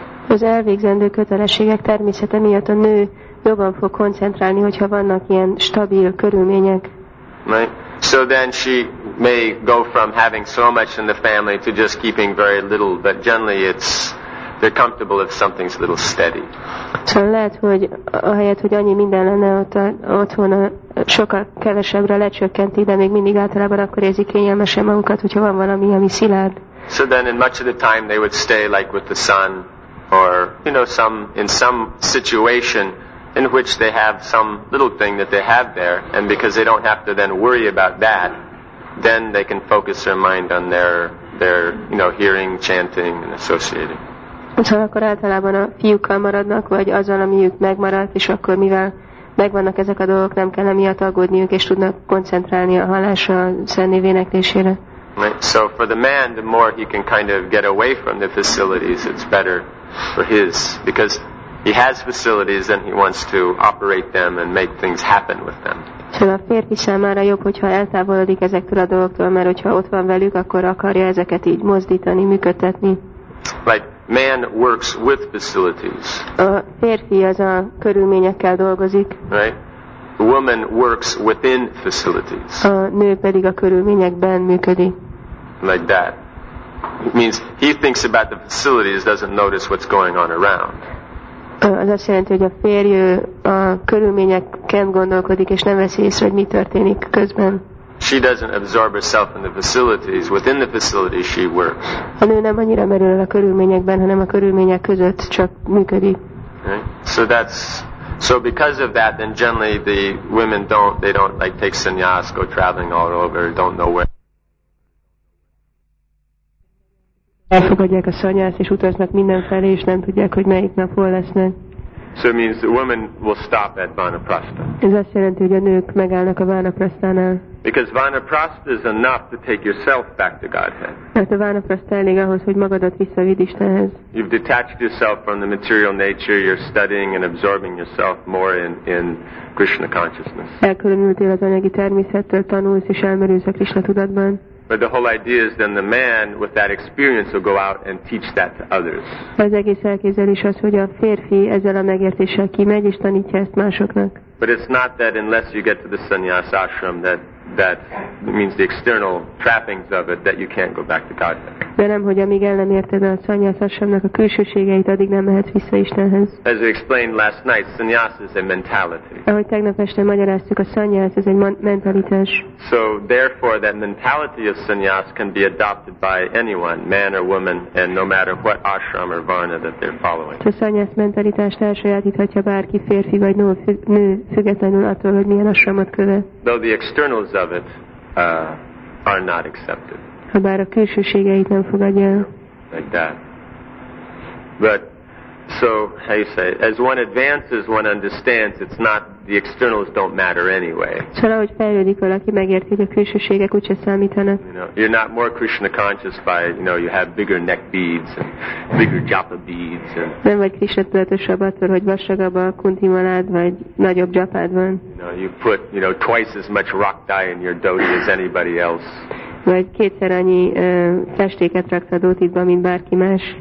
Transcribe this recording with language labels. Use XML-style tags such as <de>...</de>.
<hu>Az elvégzendő kötelességek természete miatt a nő jobban fog koncentrálni, hogyha vannak ilyen stabil körülmények.</hu> <en>Right. So then she may go from having so much in the family to just keeping very little, but generally it's they're comfortable if something's a little steady.</en> <hu>Szóval lehet, hogy ahelyett, hogy annyi minden lenne ott otthon, sokkal kevesebbre lecsökkenti, de még mindig általában akkor érzik kényelmesen magukat, hogyha van valami, ami szilárd.</hu> <en>So then in much of the time they would stay like with the sun or, you know, some in some situation in which they have some little thing that they have there, and because they don't have to then worry about that, then they can focus their mind on their you know, hearing, chanting and associating.</en> <hu>Szóval akkor általában a fiúkkal maradnak, vagy azzal, amiük megmaradt, és akkor mivel megvannak ezek a dolgok, nem kell emiatt aggódniuk, és tudnak koncentrálni a hallásra, a szennév éneklésére.</hu> <en>Right. So for the man, the more he can kind of get away from the facilities, it's better for his, because he has facilities and he wants to operate them and make things happen with them.</en> <hu>Szóval a férfi számára jobb, hogyha eltávolodik ezektől a dolgoktól, mert hogyha ott van velük, akkor akarja ezeket így mozdítani, működtetni.</hu> <en>Right. Man works with facilities.</en> <hu>A férfi az a körülményekkel dolgozik.</hu> <en>Right. The woman works within facilities.</en> <hu>A nő pedig a körülményekben működik.</hu> <en>Like that. It means he thinks about the facilities, doesn't notice what's going on around.</en> <hu>Az azt jelenti, hogy a férj a körülményekkel gondolkodik, és nem veszi észre, hogy mi történik közben.</hu> <en>She doesn't absorb herself in the facilities. Within the facilities, she works.</en> <hu>A nő nem annyira merül el a körülményekben, hanem a körülmények között csak működik.</hu> <en>Okay. So that's so because of that, then generally the women don't they don't like take sannyas, go traveling all over, don't know where.</en> <hu>Elfogadják a sannyaszt és utaznak mindenfelé, és nem tudják, hogy melyik nap hol lesznek.</hu> <en>So it means the women will stop at Vanaprastha.</en> <hu>Ez azt jelenti, hogy a nők megállnak a Vanaprasthánál.</hu> <en>Because Vanaprastha is enough to take yourself back to Godhead.</en> <hu>Mert a Vanaprastha elég ahhoz, hogy magadat visszavidd Istenhez.</hu> <en>You've detached yourself from the material nature. You're studying and absorbing yourself more in Krishna consciousness.</en> <hu>Elkülönültél az anyagi természettől, tanulsz és elmerülsz a Krishna tudatban.</hu> <en>But the whole idea is then the man with that experience will go out and teach that to others.</en> <hu>Az egész elképzelés az, hogy a férfi ezzel a megértéssel kimegy és tanítja ezt másoknak.</hu> <en>But it's not that unless you get to the sannyas ashram that means the external trappings of it that you can't go back to Godhead.</en> <hu>De nem, hogy amíg el nem érted a sannyas ashramnak a külsőségeit, addig nem mehetsz vissza Istenhez.</hu> <en>As we explained last night, sannyas is a mentality.</en> <hu>Ahogy tegnap este magyaráztuk, a sannyas ez egy mentalitás.</hu> <en>So therefore that mentality of sannyas can be adopted by anyone, man or woman, and no matter what ashram or varna that they're following.</en> <hu>A sannyas mentalitást elsajátíthatja bárki, férfi vagy nő, függetlenül attól, hogy milyen ashramot követ.</hu> <en>Though the externals of it are not accepted.</en> <hu>Habár a külsőségeit nem fogadja.</hu> <en>Like that. But so how you say it? As one advances, one understands it's not the externals don't matter anyway.</en> <hu>Szóval, ahogy fejlődik valaki, megérti, hogy a külsőségek úgyse számítanak.</hu> <en>You know, you're not more Krishna conscious by you know you have bigger neck beads and bigger japa beads. And,</en> <hu>nem vagy Krishna tudatosabb attól, hogy vastagabb a kunti malád vagy nagyobb japád van.</hu> <en>You know, you put you know twice as much rock dye in your dhoti as anybody else.</en> <hu>Vagy kétszer annyi festéket raksz a dhotidba, mint bárki más.</hu>